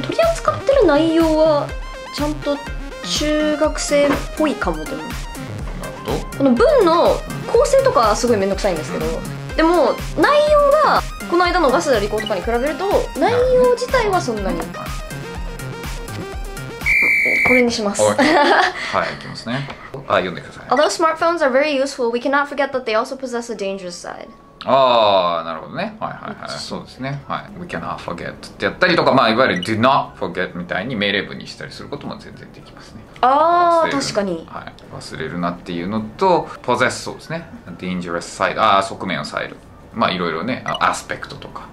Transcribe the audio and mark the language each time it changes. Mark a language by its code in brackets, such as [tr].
[ja] 取り扱ってる内容はちゃんと中学生っぽいかも。でも、なるほど、この文の構成とかすごいめんどくさいんですけど、うん、でも内容がこの間の早稲田理工とかに比べると内容自体はそんなに、これにします。はい、いきますね。あ、読んでください。 [en] Although smartphones are very useful, we cannot forget that they also possess a dangerous side. [ja] あー、なるほどね。はいはいはい。そうですね。はい。 [en] We cannot forget [ja] ってやったりとか、まあいわゆる [en] do not forget [ja] みたいに命令文にしたりすることも全然できますね。あー、確かに。はい。忘れるなっていうのと、possess そうですね。dangerous side。あー、側面を抑える。まあいろいろね、アスペクトとか、